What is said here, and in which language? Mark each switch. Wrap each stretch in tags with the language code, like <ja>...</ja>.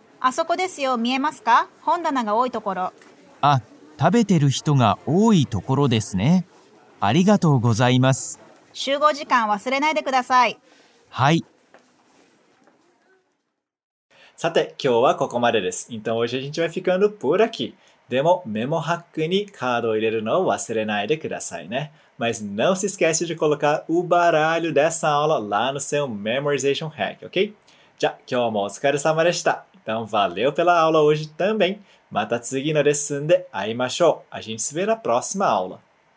<ja>あそこですよ。見えますか？本棚が多いところ。あ、食べてる人が多いところですね。ありがとうございます。集合時間忘れないでください。はい。さて、今日はここまでです。</ja> <pt>Então hoje a gente vai ficando por aqui.</pt> <ja>でも、メモハックにカードを入れるのを忘れないでくださいね。</ja> <pt>Mas não se esquece de colocar o baralho dessa aula lá no seu memorization hack, ok?</pt> <ja>じゃあ、今日もお疲れ様でした。</ja> <pt>Então, valeu pela aula hoje também.</pt> <ja>Mata tsugi no lesson de aimashou.</ja> <pt>A gente se vê na próxima aula.</pt>